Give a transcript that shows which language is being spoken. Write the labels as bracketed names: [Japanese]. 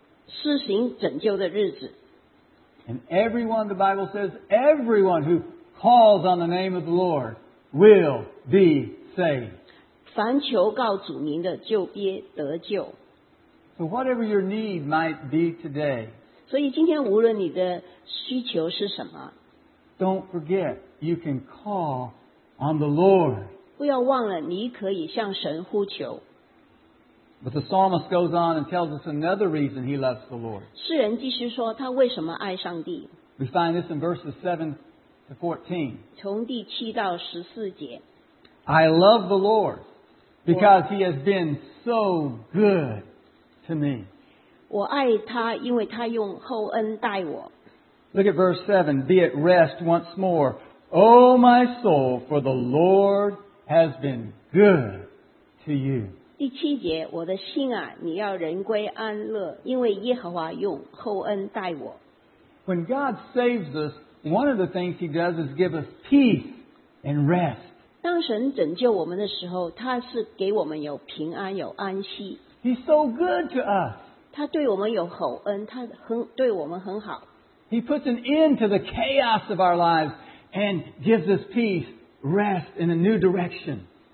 [Chinese] 现在就是神施行拯救的日子。 [English] And everyone, the Bible says, everyone who calls on the name of the Lord will be saved. [Chinese] 凡求告主名的就必得救。 [English] So whatever your need might be today, [Chinese] 所以今天无论你的需求是什么, [English] don't forget you can call on the Lord. [Chinese] 不要忘了你可以向神呼求。 [English] But the psalmist goes on and tells us another reason he loves the Lord. [Chinese] 诗人继续说他为什么爱上帝? [English] We find this in verses 7-14. [Chinese] 从第7到14节, [English] I love the Lord because He has been so good to me. [Chinese] 我爱他因为他用厚恩待我。 [English] Look at verse 7. Be at rest once more. O my soul, for the Lord has been good to you. [Chinese] 第7节, 我的心啊, 你要人归安乐, 因为耶和华用厚恩待我。 [English] When God saves us, one of the things He does is give us peace and rest. [Chinese] 当神拯救我们的时候, 祂是给我们有平安, 有安息。 [English] He's so good to us. [Chinese] 祂对我们有厚恩, 祂很, 对我们很好。 [English] He puts an end to the chaos of our lives and gives us peace, rest, and a new direction.